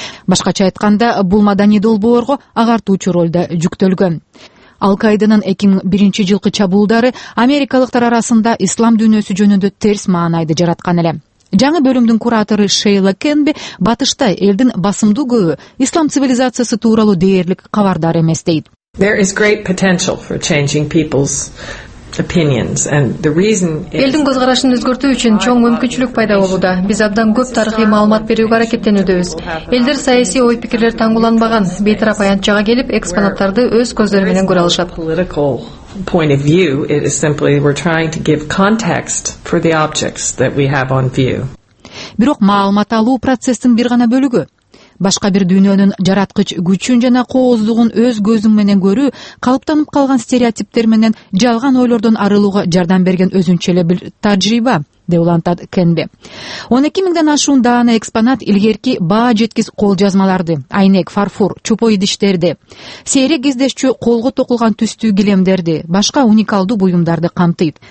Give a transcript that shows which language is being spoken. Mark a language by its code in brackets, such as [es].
[ky] Башкача айтканда, бул маданий долбоорго агартуучу рольдө жүктөлгөн. Ал-Каиданын 2001 жылкы чабуулдары америкалыктар арасында ислам дүйнөсү жөнүндө терс маанайды жараткан эле. Жаңы бөлүмдүн кураторы Шейла Кенби батышта элдин басымдуу көбү ислам цивилизациясы тууралуу дээрлик кабардар эмес дейт. [en] There is great potential for changing people's opinions and the reason [ky] элдин көз карашын өзгөртүү үчүн чоң мүмкүнчүлүк пайда болууда. Биз абдан көп тарыхый маалымат берүүгө аракеттенүүдөбүз. Элдер саясий ой пикирлер тангуланбаган бейтарап аянтчага келип экспонаттарды өз көздөрү менен көрө алышат. [en] Point of view, it is simply we're trying to give context for the objects that we have on view. [ky] Бирок маалымат алуу процесстин бир гана бөлүгү. Башка бир дүйнөнүн жараткыч күчүн жана кооздугун өз көзүң менен көрүү калыптанып калган стереотиптер менен жалган ойлордон арылууга жардам берген өзүнчө эле бир тажрыйба. деулантат Кенбе. 12 миңден ашуун дааны экспонат илгерки баа жеткис кол жазмаларды, айнек, фарфор, чупой идиштерди, сейрек издешчү колго токулган түстүү килемдерди, башка уникалдуу буюмдарды камтыйт.